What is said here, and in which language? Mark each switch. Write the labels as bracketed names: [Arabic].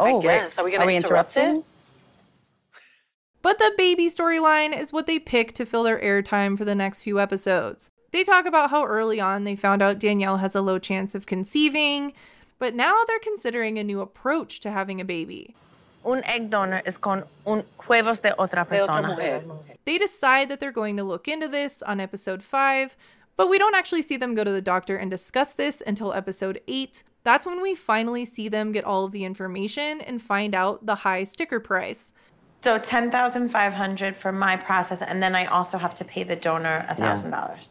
[English] Oh, I guess. Are we going to interrupt it? But the baby storyline is what they pick to fill their airtime for the next few episodes. They talk about how early on they found out Danielle has a low chance of conceiving, but now they're considering a new approach to having a baby. [Spanish] Un egg donor es con un huevos de otra persona. [English] They decide that they're going to look into this on episode 5, but we don't actually see them go to the doctor and discuss this until episode 8. That's when we finally see them get all of the information and find out the high sticker price. So $10,500 for my process, and then I also have to pay the donor $1,000.